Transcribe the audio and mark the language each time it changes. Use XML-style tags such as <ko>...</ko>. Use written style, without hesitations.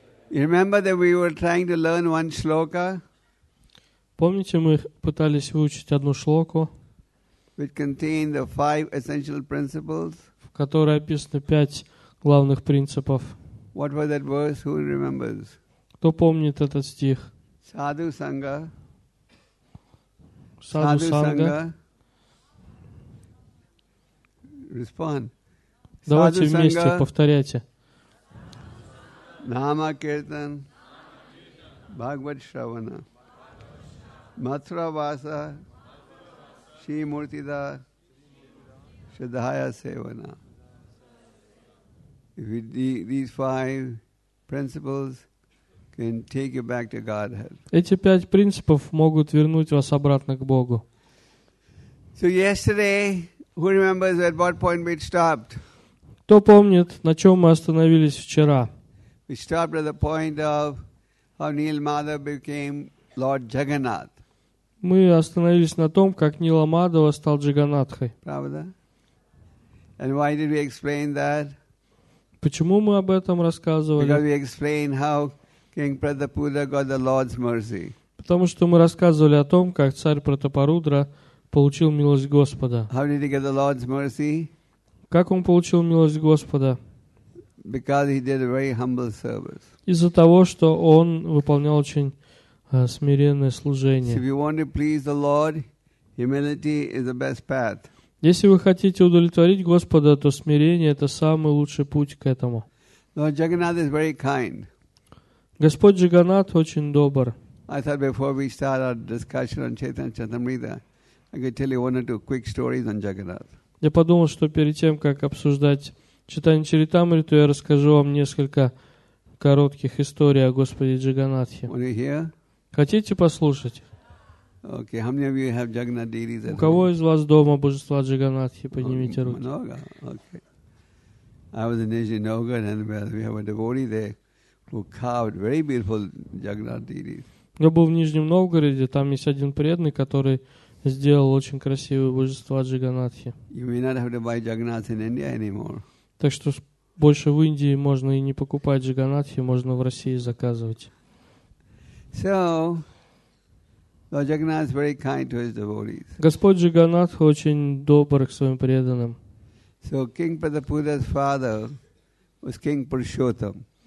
<en>Remember that we were trying to learn one shloka?</en> <ru>Помните, мы пытались выучить одну шлоку,</ru> <en>which contained the five essential principles?</en> <ru>В которой описано пять главных принципов.</ru> <en>What was that verse? Who remembers?</en> <ru>Кто помнит этот стих?</ru> <sa>Sadhu Sangha. Sadhu Sangha.</sa> <en>Respond.</en> <ru>Давайте вместе повторяйте.</ru> <sa>Nama Kirtan, Bhagavad Shravana, Mathura Vasa, Shri Murtida, Shraddhaya Sevana.</sa> <en>If you these five principles can take you back to Godhead.</en> <ru>Эти пять принципов могут вернуть вас обратно к Богу.</ru> <en>So yesterday, who remembers at what point we stopped?</en> <ru>Кто помнит, на чем мы остановились вчера?</ru> <en>We stopped at the point of how Neel Madhav became Lord Jagannath.</en> <ru>Мы остановились на том, как Нила Мадхава стал Джаганнатхой. Правда?</ru> <en>And why did we explain that?</en> <ru>Почему мы об этом рассказывали?</ru> <en>Because we explained how King Pratapudra got the Lord's mercy.</en> <ru>Потому что мы рассказывали о том, как царь Пратапарудра получил милость Господа.</ru> <en>How did he get the Lord's mercy?</en> <ru>Как он получил милость Господа?</ru> <en>Because he did a very humble service.</en> <ru>Из-за того, что он выполнял очень смиренное служение.</ru> <en>So if you want to please the Lord, humility is the best path.</en> <ru>Если вы хотите удовлетворить Господа, то смирение – это самый лучший путь к этому.</ru> <en>Lord Jagannath is very kind.</en> <ru>Господь Джаганнат очень добр.</ru> <en>I thought before we start our discussion on Chaitanya Charitamrita, I could tell you one or two quick stories on Jagannath.</en> <ru>Я подумал, что перед тем, как обсуждать Чайтанья Чаритамриту, я расскажу вам несколько коротких историй о Господе Джаганнатхе. Хотите послушать?</ru> <en>Okay. How many of you have Jagannath deities at</en> <ru>У кого из вас дома божества Джаганнатхи? Поднимите руки. Много.</ru> <en>Okay. I was in Nizhny Novgorod, and we have a devotee there who carved very beautiful Jagannath deities.</en> <ru>Я был в Нижнем Новгороде, там есть один преданный, который сделал очень красивые божества Джаганнатхи.</ru> <en>You may not have to buy Jagannath in India anymore.</en> <ru>Так что больше в Индии можно и не покупать Джаганнатхи, можно в России заказывать.</ru> <en>So, Lord Jagannath is very kind to his devotees.</en> <ru>Господь Джаганнат очень добр к своим преданным.</ru> <en>So, King Pratapudra's father was King Purushottam.</en>